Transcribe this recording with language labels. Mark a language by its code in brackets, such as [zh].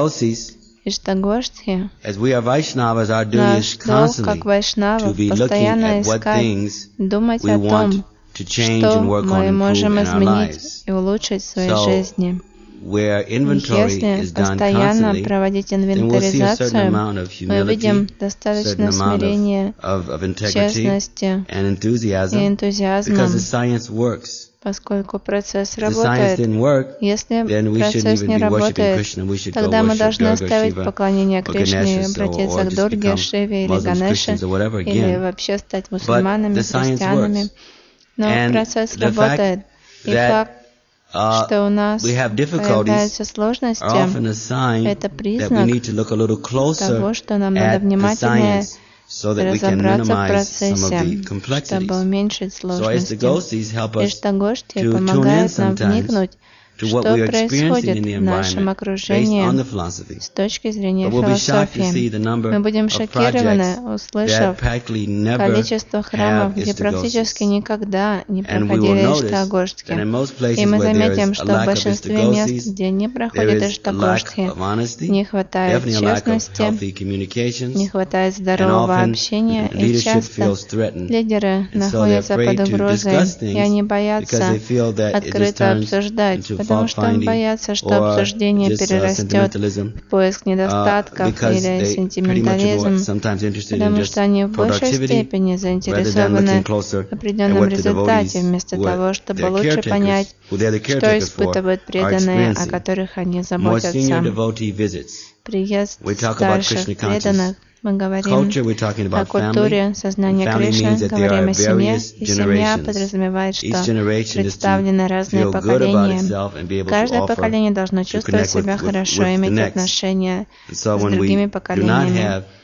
[en] Ishtagoshthi, as we are Vaishnavas, our duty is constantly to be looking at what things we want to change and work on improve in our lives. Where inventory is done constantly, then we'll see a certain amount of humility, certain amount of integrity and enthusiasm, because the science works. [ru] Поскольку процесс работает, если процесс не работает, тогда мы должны оставить поклонение Кришне и обратиться к Дурге, Шиве или Ганеше, или вообще стать мусульманами, христианами. Но процесс работает. И факт, что у нас появляются сложности, это признак того, что нам надо внимательнее [en] so that we can minimize some of the complexities. So as the Goshtis help us to tune in sometimes, to what we are experiencing in the environment based on the philosophy. But we'll be shocked to see the number of projects that practically never have histagoges. And we will notice that in most places where there is a lack of histagoges, there is a lack of honesty, definitely a lack of healthy communications, and often leadership feels threatened. And so they're afraid to discuss things because they feel that it just turns into fault-finding or just sentimentalism because they're pretty much sometimes interested in just productivity rather than looking closer at what the devotees who are their caretakers, who they're the caretakers for, are experiencing. More senior devotee visits. We talk about Krishna consciousness. [ru] Мы говорим [en] culture, we're talking about [ru] о культуре, сознании Кришны, говорим о семье, и семья подразумевает, что представлены разные поколения. Каждое поколение должно чувствовать себя хорошо, иметь отношения с другими поколениями.